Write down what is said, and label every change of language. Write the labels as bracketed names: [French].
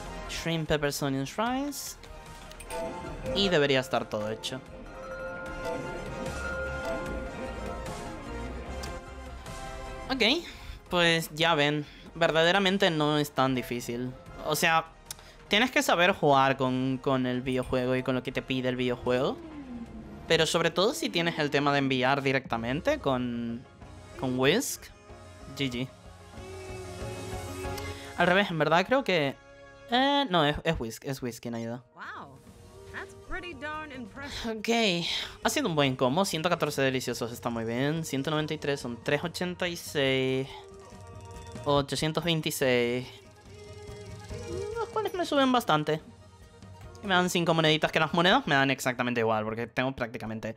[English] Shrimp, peppers, onions, rice. [Spanish] Y debería estar todo hecho. Ok, pues ya ven. Verdaderamente no es tan difícil. O sea, tienes que saber jugar con el videojuego y con lo que te pide el videojuego. Pero sobre todo si tienes el tema de enviar directamente con Whisk. GG. Al revés, en verdad creo que... no, es Whisk quien ha ido. [English] Wow, that's pretty darn impressive. [Spanish] Ok, ha sido un buen combo. 114 deliciosos está muy bien. 193 son 386. 826. Los cuales me suben bastante. Y me dan 5 moneditas, que las monedas me dan exactamente igual. Porque tengo prácticamente...